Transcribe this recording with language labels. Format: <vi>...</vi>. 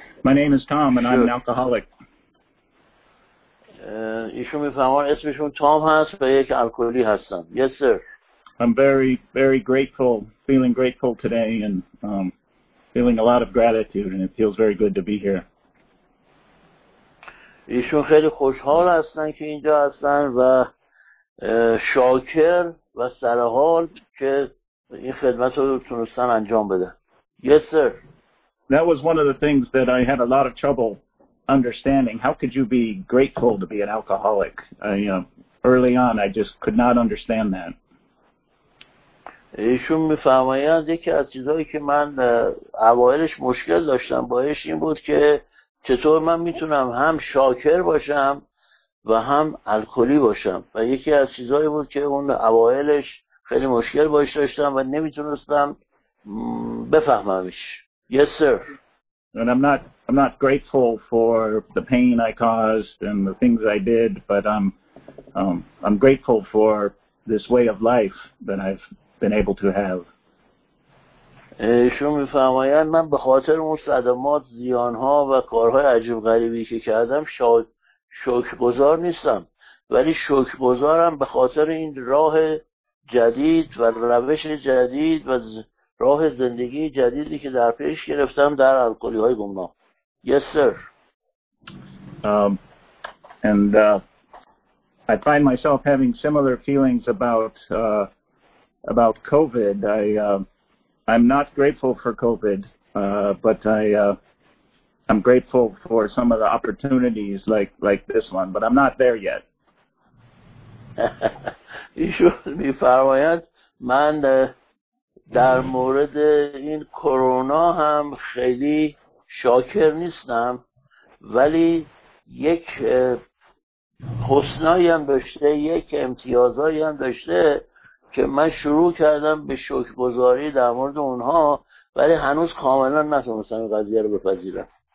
<en>My name is Tom and I am an alcoholic.</en> <fa>ایشون میفرمان اسمشون تام هست و یک الکلی هستن.</fa> <en>Yes sir. I'm very, very grateful, feeling grateful today and feeling a lot of gratitude, and it feels very good to be here.</en> <fa>ایشون خیلی خوشحال هستن که اینجا هستن و شاکر و سرحال که این خدمت رو تونستن انجام بده.</fa> <en>Yes, sir. That was one of the things that I had a lot of trouble understanding. How could you be grateful to be an alcoholic? Early on, I just could not understand that.</en> <fa>ایشون میفرمایند یکی از چیزهایی که من اوائلش مشکل داشتم بایش این بود که چطور من میتونم هم شاکر باشم و هم الکلی باشم، و یکی از چیزهایی بود که اون اوائلش خیلی مشکل بایش داشتم و نمیتونستم بفهممش.</fa> <en>Yes, sir. And I'm not grateful for the pain I caused and the things I did, but I'm grateful for this way of life that I've been able to have.</en> <fa>ایشون میفرمایند من به خاطر اون صدمات، زیانها و کارهای عجیب غریبی که کردم شکرگزار نیستم، ولی شکرگزارم به خاطر این راه جدید و روش جدید و راه زندگی جدیدی که در پیش گرفتم در الکلی های گمنام.</fa> <en>Yes, sir. I find myself having similar feelings about COVID. I'm not grateful for COVID, but I'm grateful for some of the opportunities like this one, but I'm not there yet.</en> <fa>ایشون میفرماید من در مورد این کرونا هم خیلی شاکر نیستم، ولی یک حسنایی هم داشته، یک امتیازایی هم داشته که من شروع کردم به شکرگزاری در مورد اونها، ولی هنوز کاملا نتونستم این قضیه رو بپذیرم.</fa>